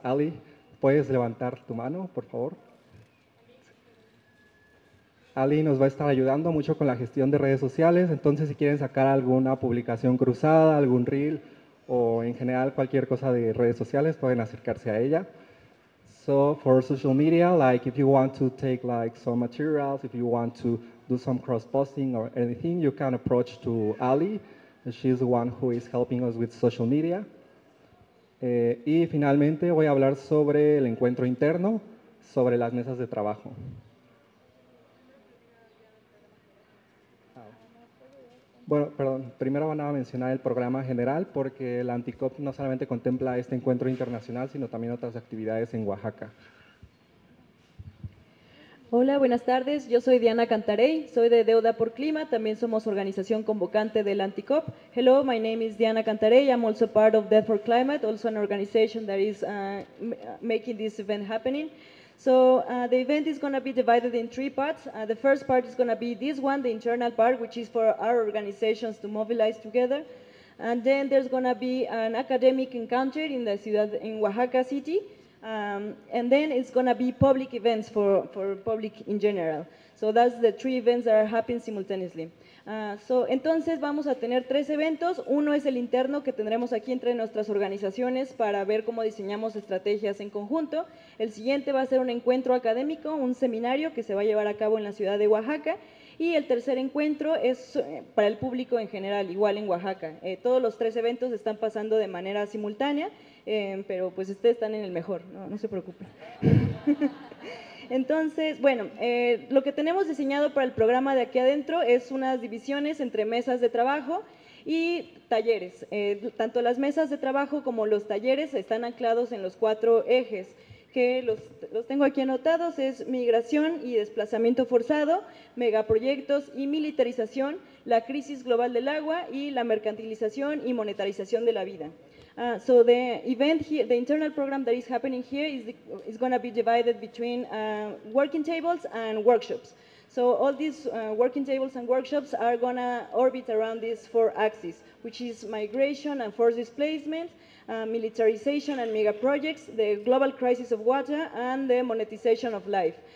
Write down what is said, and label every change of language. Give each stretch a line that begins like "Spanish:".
Spanish: Ali, ¿puedes levantar tu mano, por favor? Ali nos va a estar ayudando mucho con la gestión de redes sociales, entonces si quieren sacar alguna publicación cruzada, algún reel o en general cualquier cosa de redes sociales, pueden acercarse a ella.
English: So for social media, like if you want to take like some materials, if you want to do some cross-posting or anything, you can approach to Ali. She's the one who is helping us with social media.
Spanish: Y finalmente voy a hablar sobre el encuentro interno, sobre las mesas de trabajo. Bueno, perdón, primero van a mencionar el programa general porque la ANTICOP no solamente contempla este encuentro internacional, sino también otras actividades en Oaxaca. Hola, buenas tardes. Yo soy Diana Cantarey, soy de Deuda por Clima, también somos organización convocante de la ANTICOP.
English: Hello, my name is Diana Cantarey. I'm also part of Deuda por Clima, also an organization that is making this event happening. So the event is going to be divided in three parts. The first part is going to be this one, the internal part, which is for our organizations to mobilize together. And then there's going to be an academic encounter in the ciudad, in Oaxaca City. And then it's going to be public events for public in general. So that's the three events that are happening simultaneously.
Spanish: So entonces vamos a tener tres eventos. Uno es el interno que tendremos aquí entre nuestras organizaciones para ver cómo diseñamos estrategias en conjunto. El siguiente va a ser un encuentro académico, un seminario que se va a llevar a cabo en la ciudad de Oaxaca. Y el tercer encuentro es para el público en general, igual en Oaxaca. Todos los tres eventos están pasando de manera simultánea, pero pues ustedes están en el mejor, no se preocupen. Entonces, bueno, lo que tenemos diseñado para el programa de aquí adentro es unas divisiones entre mesas de trabajo y talleres. Tanto las mesas de trabajo como los talleres están anclados en los cuatro ejes, que los tengo aquí anotados, es migración y desplazamiento forzado, megaproyectos y militarización, la crisis global del agua y la mercantilización y monetarización de la vida.
English: So the event here, the internal program that is happening here is going to be divided between working tables and workshops. So all these working tables and workshops are going to orbit around these four axes, which is migration and forced displacement, militarization and mega projects, the global crisis of water, and the monetization of life.